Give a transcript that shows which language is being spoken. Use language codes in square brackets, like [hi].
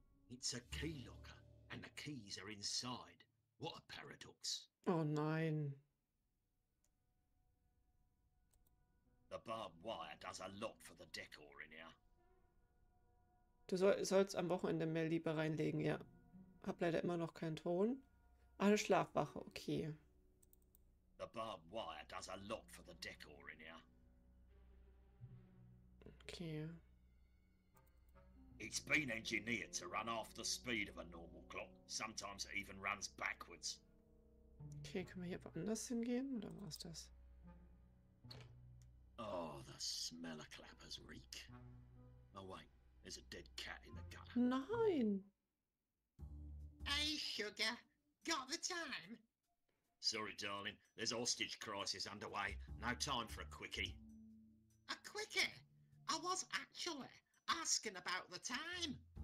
[en] It's a key locker, and the keys are inside. What a paradox. [de] Oh, nein. [en] The barbed wire does a lot for the decor in here. [de] Du sollst am Wochenende mehr Liebe reinlegen, ja. Hab leider immer noch keinen Ton. Eine Schlafwache, okay. [en] The barbed wire does a lot for the decor in here. Okay. It's been engineered to run off the speed of a normal clock. Sometimes it even runs backwards. [de] Okay, können wir hier woanders hingehen, oder was ist das? [en] Oh, the smell of clappers reek. Oh wait, there's a dead cat in the gutter. [de] Nein! [en] Hey, sugar. Got the time? Sorry, darling. There's hostage crisis underway. No time for a quickie. A quickie? I was actually asking about the time.